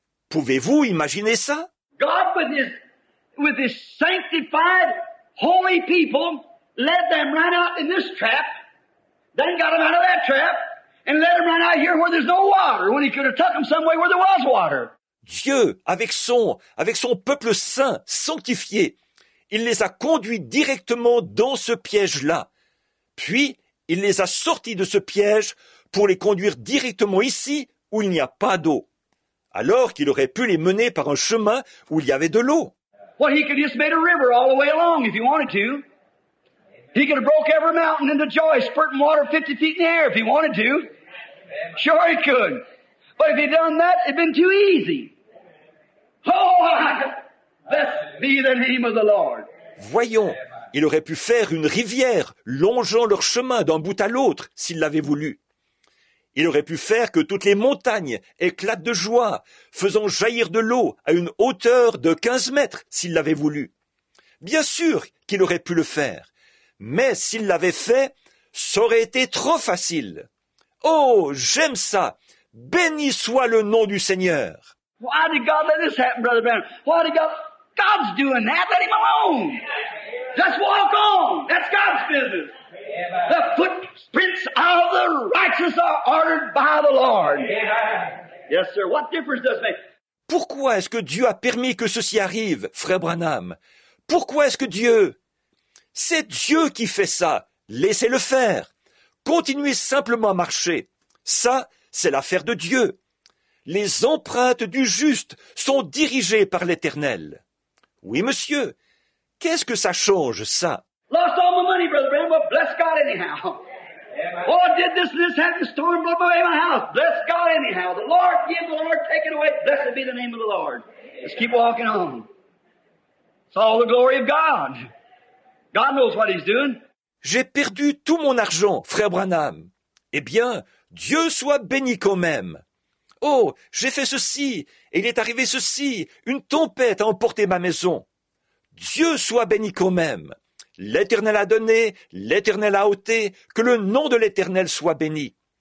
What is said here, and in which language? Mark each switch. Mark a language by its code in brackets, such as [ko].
[fr] Pouvez-vous imaginer ça? [en] God with his sanctified holy people led them right out in this trap, then got them out of that trap and led them right out here where there's no water when he could have took them somewhere where there was water. [fr] Dieu, avec son peuple saint, sanctifié, il les a conduits directement dans ce piège-là. Puis, il les a sortis de ce piège pour les conduire directement ici où il n'y a pas d'eau, alors qu'il aurait pu les mener par un chemin où il y avait de l'eau. [en] Well, he could have just made a river all the way along if he wanted to. He could have broke every mountain into joy, spurting water 50 feet in the air if he wanted to. Sure he could. But if he'd done that, it'd been too easy. Oh, blessed be the name of the Lord. [fr] Voyons, il aurait pu faire une rivière longeant leur chemin d'un bout à l'autre s'il l'avait voulu. Il aurait pu faire que toutes les montagnes éclatent de joie, faisant jaillir de l'eau à une hauteur de 15 mètres s'il l'avait voulu. Bien sûr qu'il aurait pu le faire, mais s'il l'avait fait, ça aurait été trop facile. Oh, j'aime ça! Béni soit le nom du Seigneur! [en] Why did God let this happen, Brother Branham? Why did God... God's doing that. Let him alone. Just walk on. That's God's business. The footprints of the righteous are ordered by the Lord. Yes, sir. What difference does it make? [fr] Pourquoi est-ce que Dieu a permis que ceci arrive, frère Branham? Pourquoi est-ce que Dieu... C'est Dieu qui fait ça. Laissez-le faire. Continuez simplement à marcher. Ça, c'est l'affaire de Dieu. Les empreintes du juste sont dirigées par l'Éternel. Oui, monsieur. Qu'est-ce que ça change, ça? [en] Lost all my money, Brother Branham. Well, bless God anyhow. Oh, I did this and this happened, the storm blew away my house. Bless God anyhow. The Lord give, the Lord take it away. Blessed be the name of the Lord. Let's keep walking on. It's all the glory of God. God knows what he's doing. [fr] J'ai perdu tout mon argent, frère Branham. Eh bien, Dieu soit béni quand même. Oh, j'ai fait ceci, et il est arrivé ceci, une tempête a emporté ma maison. Dieu soit béni quand même. L'Éternel a donné, l'Éternel a ôté, que le nom de l'Éternel soit béni.